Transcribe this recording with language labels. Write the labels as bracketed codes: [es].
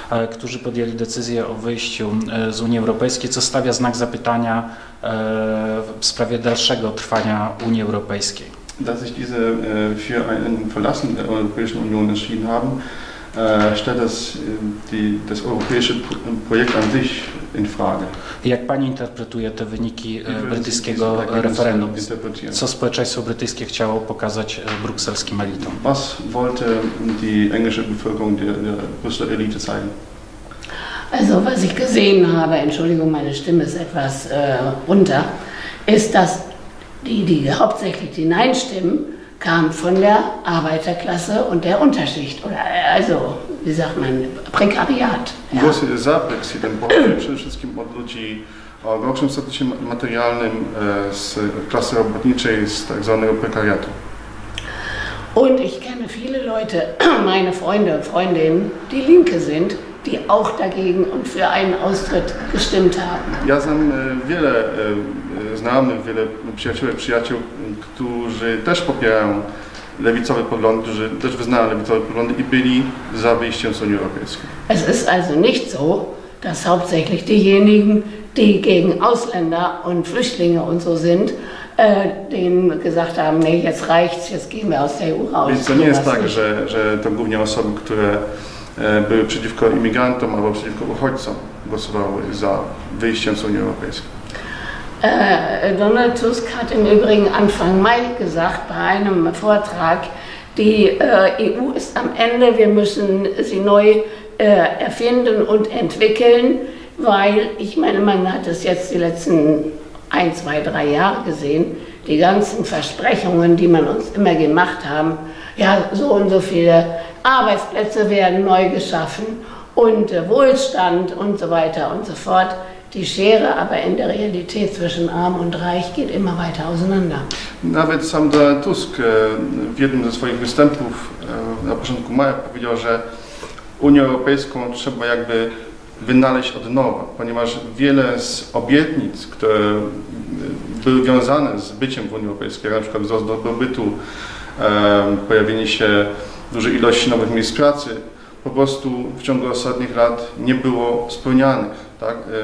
[pl] Którzy podjęli decyzję o wyjściu z Unii Europejskiej, co stawia znak zapytania w sprawie dalszego trwania Unii Europejskiej. [de] Dass sich diese für ein Verlassen der Europäischen Union entschieden haben, stellt das europäische Projekt an sich in Frage. [pl] Jak pani interpretuje te wyniki brytyjskiego referendum? Co społeczeństwo brytyjskie chciało pokazać brukselskim elitom? [de] Was wollte die englische Bevölkerung der Brüsseler Elite zeigen? Also, was ich gesehen habe, Entschuldigung, meine Stimme ist etwas runter, ist, dass die hauptsächlich die Nein-Stimmen kamen von der Arbeiterklasse und der Unterschicht, oder also, wie sagt man, Prekariat. [pl] Głosy za Brexitem pochodzą przede wszystkim od ludzi o gorszym statusie materialnym z klasy robotniczej, z tak zwanego prekariatu. [de] Und ich kenne viele Leute, meine Freunde und Freundinnen, die Linke sind, die auch dagegen und für einen Austritt gestimmt haben. [pl] Ja znam wiele znajomych, wiele przyjaciół, którzy też popierają lewicowe poglądy, którzy też wyznają lewicowe poglądy i byli za wyjściem z Unii Europejskiej. [de] Es ist also nicht so, dass hauptsächlich diejenigen, die gegen Ausländer und Flüchtlinge und so sind, denen gesagt haben, nee, jetzt reicht's, jetzt gehen wir aus der EU raus. [pl] Więc to nie jest tak, że to głównie osoby, które były przeciwko imigrantom albo przeciwko uchodźcom, głosowały za wyjściem z Unii Europejskiej. [de] Donald Tusk hat im Übrigen Anfang Mai gesagt bei einem Vortrag, die EU ist am Ende, wir müssen sie neu erfinden und entwickeln, weil ich meine, man hat es jetzt die letzten 1, 2, 3 Jahre gesehen, die ganzen Versprechungen, die man uns immer gemacht haben, ja, so und so viele Arbeitsplätze werden neu geschaffen und Wohlstand und so weiter und so fort. Die Schere aber in der Realität zwischen Arm und Reich geht immer weiter auseinander. [pl] Nawet sam Donald Tusk w jednym ze swoich występów na początku maja powiedział, że Unię Europejską trzeba jakby wynaleźć od nowa, ponieważ wiele z obietnic, które były wiązane z byciem w Unii Europejskiej, na przykład wzrost dobrobytu, pojawienie się dużej ilości nowych miejsc pracy, po prostu w ciągu ostatnich lat nie było spełnianych. Tak?